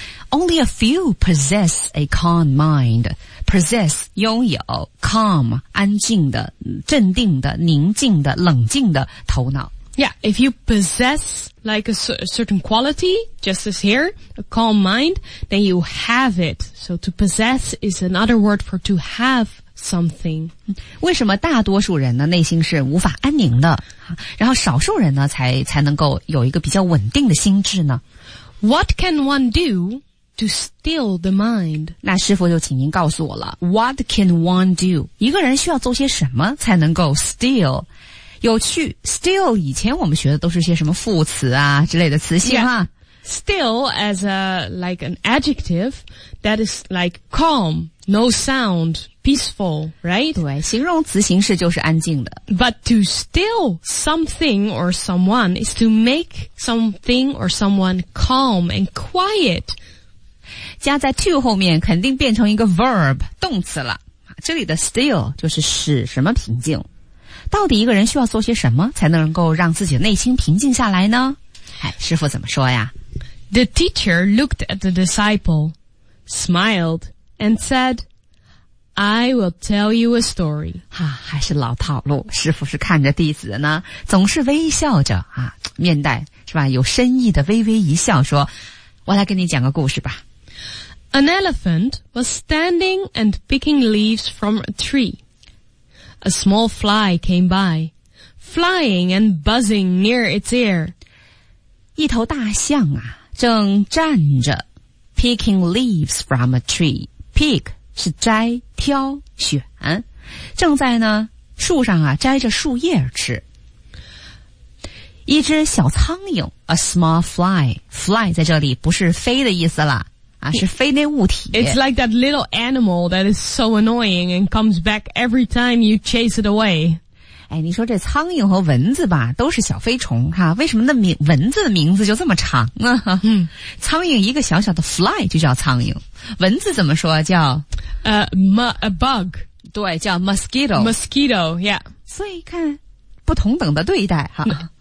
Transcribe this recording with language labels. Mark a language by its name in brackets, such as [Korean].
[English] Only a few possess a calm mind. Possess, [Chinese] 拥有 [English] calm, [Chinese] 安静的镇定的宁静的冷静的头脑。 [English] Yeah, if you possess like a certain quality, just as here, a calm mind, then you have it. So to possess is another word for to have. Something. [Chinese] 为什么大多数人呢内心是无法安宁的然后少数人呢才能够有一个比较稳定的心智呢 [English] What can one do to still the mind? [Chinese] 那师父就请您告诉我了 [English] What can one do? [Chinese] 一个人需要做些什么才能够 still? 有趣 still 以前我们学的都是些什么副词啊之类的词性啊、 [English] yeah. Still as a, like an adjective that is like calm, no soundPeaceful, right? [Chinese] 对，形容词形式就是安静的。 [English] But to still something or someone is to make something or someone calm and quiet. [Chinese] 加在 to 后面肯定变成一个 verb, 动词了。这里的 still 就是使什么平静。到底一个人需要做些什么才能够让自己内心平静下来呢？哎，师父怎么说呀？ [English] The teacher looked at the disciple, smiled, and said, I will tell you a story. [Chinese] 哈、啊、还是老套路，师父是看着弟子呢，总是微笑着啊，面带是吧，有深意的微微一笑说，我来给你讲个故事吧。 [English] An elephant was standing and picking leaves from a tree. A small fly came by, flying and buzzing near its ear. [Chinese] 一头大象啊，正站着 [English] picking leaves from a tree. [Chinese] Pick 是摘、挑、选，正在呢树上啊摘着树叶吃。一只小苍蝇 ， [English] a small fly [Chinese] 在这里不是飞的意思啦。啊，是飞那物体。 [English] It's like that little animal that is so annoying and comes back every time you chase it away. [Chinese] 哎，你说这苍蝇和蚊子吧，都是小飞虫哈、啊，为什么那名蚊子的名字就这么长呢、啊？嗯，苍蝇一个小小的 fly 就叫苍蝇，蚊子怎么说叫？ [English] a bug. [Chinese] 对，叫 mosquito. [English] Mosquito, yeah. [Chinese] 所以看不同等的对待哈、啊。